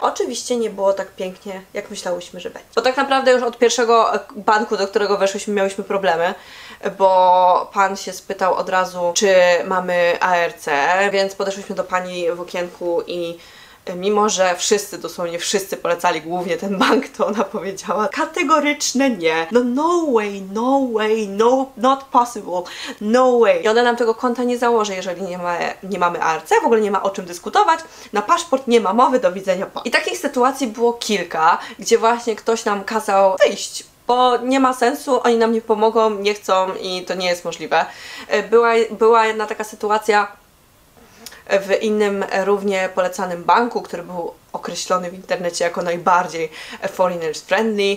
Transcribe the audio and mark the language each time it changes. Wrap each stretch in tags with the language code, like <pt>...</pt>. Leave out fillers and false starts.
<pl>Oczywiście nie było tak pięknie, jak myślałyśmy, że będzie. Bo tak naprawdę już od pierwszego banku, do którego weszłyśmy, miałyśmy problemy, bo pan się spytał od razu, czy mamy ARC, więc podeszłyśmy do pani w okienku i mimo że wszyscy, dosłownie wszyscy polecali głównie ten bank, to ona powiedziała kategoryczne nie.</pl> <en>No no way, no way, no not possible, no way.</en> <pl>I ona nam tego konta nie założy, jeżeli nie mamy ARC, w ogóle nie ma o czym dyskutować, na paszport nie ma mowy, do widzenia po. I takich sytuacji było kilka, gdzie właśnie ktoś nam kazał wyjść, bo nie ma sensu, oni nam nie pomogą, nie chcą i to nie jest możliwe. Była jedna taka sytuacja w innym równie polecanym banku, który był określony w internecie jako najbardziej foreigners friendly.</pl>